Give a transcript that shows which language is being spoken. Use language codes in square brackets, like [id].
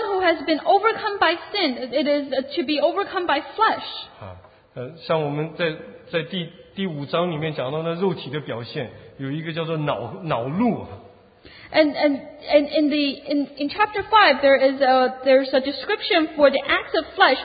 [en] one who has been overcome by sin, it is to be overcome by flesh. [zh] 像我们在第五章里面讲到的肉体的表现，有一个叫做恼怒。 [en] And in chapter 5 there's a description for the acts of flesh.